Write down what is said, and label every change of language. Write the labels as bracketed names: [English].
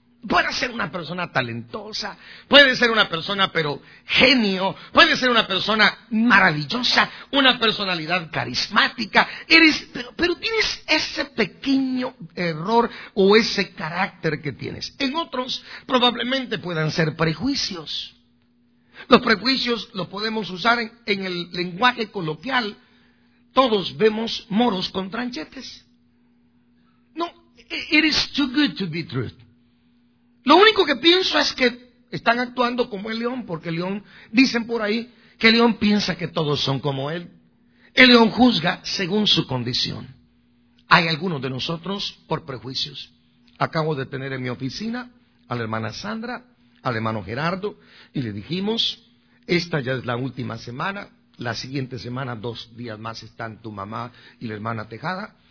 [Spanish] Puede ser una persona talentosa, puede ser una persona pero genio, puede ser una persona maravillosa, una personalidad carismática, pero tienes ese pequeño error o ese carácter que tienes. En otros probablemente puedan ser prejuicios. Los prejuicios los podemos usar en el lenguaje coloquial. Todos vemos moros con tranchetes. [English] No, it is too good to be true. [Spanish] Lo único que pienso es que están actuando como el león, porque el león, dicen por ahí, que el león piensa que todos son como él. El león juzga según su condición. Hay algunos de nosotros por prejuicios. Acabo de tener en mi oficina a la hermana Sandra, al hermano Gerardo, y le dijimos, esta ya es la última semana, la siguiente semana, 2 días más, están tu mamá y la hermana Tejada.